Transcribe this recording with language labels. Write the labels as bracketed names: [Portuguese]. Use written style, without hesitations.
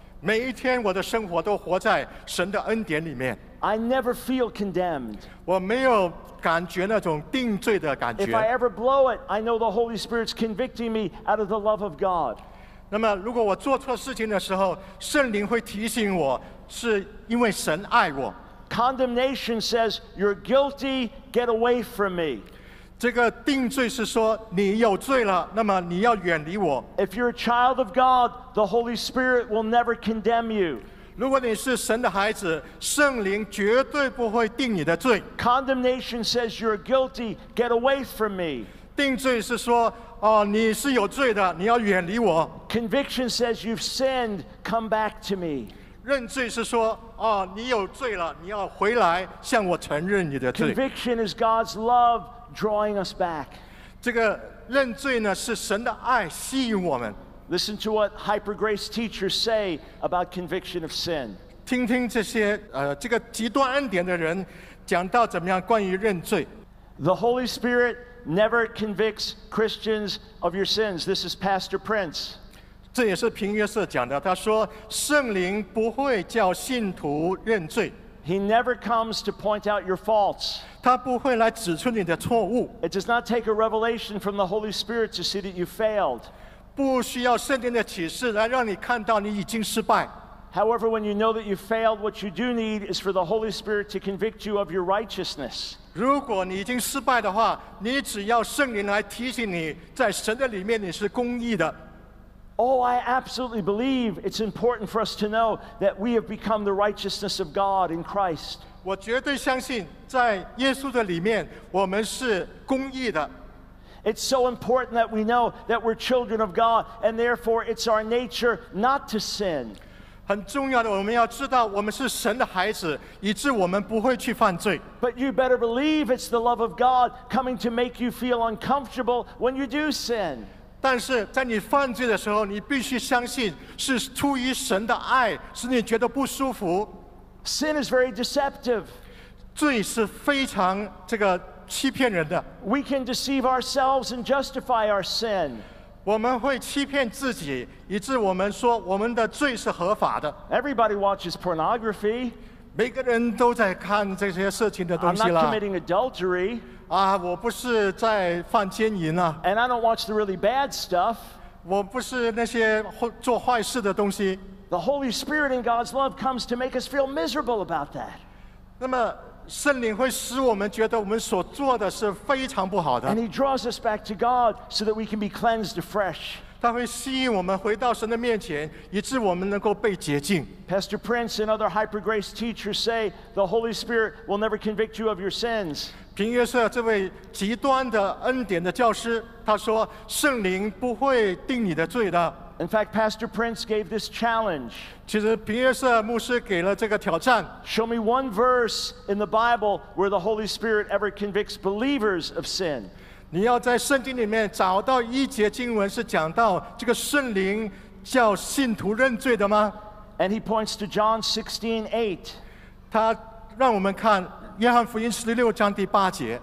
[Chinese] 每一天我的生活都活在神的恩典里面。 [English] I never feel condemned. [Chinese] 我没有感觉那种定罪的感觉。 [English] If I ever blow it, I know the Holy Spirit's convicting me out of the love of God. [Chinese] 那么如果我做错事情的时候，圣灵会提醒我，是因为神爱我。 [English] Condemnation says, you're guilty, get away from me. [Chinese] 这个定罪是说你有罪了，那么你要远离我。 [English] If you're a child of God, the Holy Spirit will never condemn you. [Chinese] 如果你是神的孩子，圣灵绝对不会定你的罪。 [English] Condemnation says you're guilty, get away from me. [Chinese] 定罪是说，哦，你是有罪的，你要远离我。 [English] Conviction says you've sinned, come back to me. [Chinese] 认罪是说，哦，你有罪了，你要回来向我承认你的罪。 [English] Conviction is God's love drawing us back. [Chinese] 这个认罪呢，是神的爱吸引我们。 [English] Listen to what hyper grace teachers say about conviction of sin. [Chinese] 听听这些这个极端恩典的人讲到怎么样关于认罪。 [English] The Holy Spirit never convicts Christians of your sins. This is Pastor Prince. [Chinese] 这也是平约瑟讲的，他说圣灵不会叫信徒认罪。 [English] He never comes to point out your faults. [Chinese] 他不会来指出你的错误。 [English] It does not take a revelation from the Holy Spirit to see that you failed. [Chinese] 不需要圣灵的启示来让你看到你已经失败。 [English] However, when you know that you failed, what you do need is for the Holy Spirit to convict you of your righteousness. [Chinese] 如果你已经失败的话，你只要圣灵来提醒你，在神的里面你是公义的。 [English] Oh, I absolutely believe it's important for us to know that we have become the righteousness of God in Christ. [Chinese] 我绝对相信在耶稣的里面我们是公义的。 [English] It's so important that we know that we're children of God, and therefore it's our nature not to sin. [Chinese] 很重要的，我们要知道我们是神的孩子，以致我们不会去犯罪。 [English] But you better believe it's the love of God coming to make you feel uncomfortable when you do sin. [Chinese] 但是在你犯罪的时候，你必须相信是出于神的爱，使你觉得不舒服。 [English] Sin is very deceptive. [Chinese] 罪是非常这个欺骗人的。 [English] We can deceive ourselves and justify our sin. [Chinese] 我们会欺骗自己，以致我们说我们的罪是合法的。 [English] Everybody watches pornography. [Chinese] 每个人都在看这些色情的东西了。 [English] I'm not committing adultery. [Chinese] 啊，我不是在犯奸淫啊。 [English] And I don't watch the really bad stuff. [Chinese] 我不是那些做坏事的东西。 [English] The Holy Spirit in God's love comes to make us feel miserable about that. [Chinese] 那么圣灵会使我们觉得我们所做的是非常不好的。 [English] And He draws us back to God so that we can be cleansed afresh. [Chinese] 他会吸引我们回到神的面前，以致我们能够被洁净。 [English] Pastor Prince and other hyper-grace teachers say the Holy Spirit will never convict you of your sins. [Chinese] 平约瑟这位极端的恩典的教师，他说圣灵不会定你的罪的。 [English] In fact, Pastor Prince gave this challenge. [Chinese] 其实平约瑟牧师给了这个挑战。 [English] Show me one verse in the Bible where the Holy Spirit ever convicts believers of sin. [Chinese] 你要在圣经里面找到一节经文是讲到这个圣灵叫信徒认罪的吗？ [English] And he points to John 16:8. [Chinese] 他让我们看约翰福音十六章第八节。